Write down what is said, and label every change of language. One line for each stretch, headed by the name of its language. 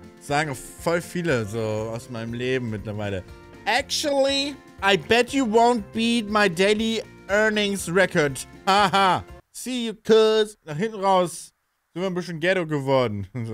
German: Sagen voll viele so aus meinem Leben mittlerweile.
English: Actually, I bet you won't beat my daily earnings record. Haha. See you, cuz.
German: Nach hinten raus sind wir ein bisschen ghetto geworden.